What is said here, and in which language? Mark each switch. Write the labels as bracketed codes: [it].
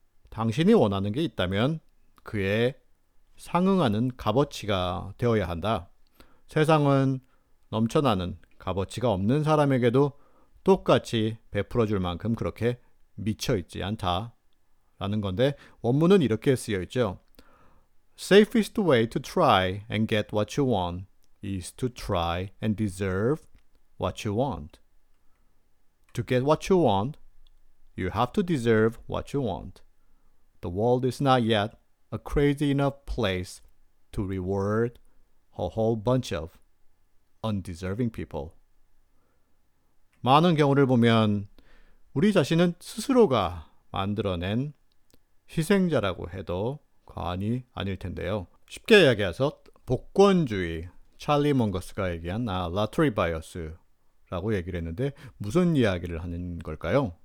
[ko] 당신이 원하는 게 있다면 그에 상응하는 값어치가 되어야 한다. 세상은 넘쳐나는 값어치가 없는 사람에게도 똑같이 베풀어줄 만큼 그렇게 미쳐있지 않다 라는 건데 원문은 이렇게 쓰여있죠. [en] Safest way to try and get what you want is to try and deserve what you want. To get what you want, you have to deserve what you want. The world is not yet a crazy enough place to reward a whole bunch of undeserving people. [ko] 많은 경우를 보면 우리 자신은 스스로가 만들어낸 희생자라고 해도 과언이 아닐 텐데요. 쉽게 이야기해서 복권주의, 찰리 몽거스가 얘기한 라토리 바이어스라고 얘기를 했는데 무슨 이야기를 하는 걸까요?